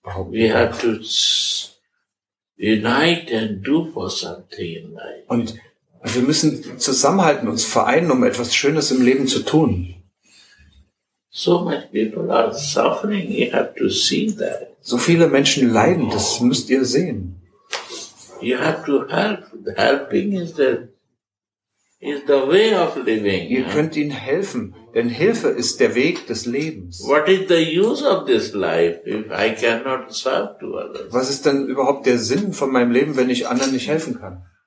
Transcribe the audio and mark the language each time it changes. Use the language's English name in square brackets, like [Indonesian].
[English] We have to unite and do for something in life. [German] Und wir müssen zusammenhalten, uns vereinen, um etwas Schönes im Leben zu tun. [English] So many people are suffering, you have to see that. [German] So viele Menschen leiden, das müsst ihr sehen. [English] You have to help. Helping is the way of living. [German] Ihr könnt ihnen helfen, denn Hilfe ist der Weg des Lebens. [English] What is the use of this life if I cannot serve to others? [German] Was ist denn überhaupt der Sinn von meinem Leben, wenn ich anderen nicht helfen kann?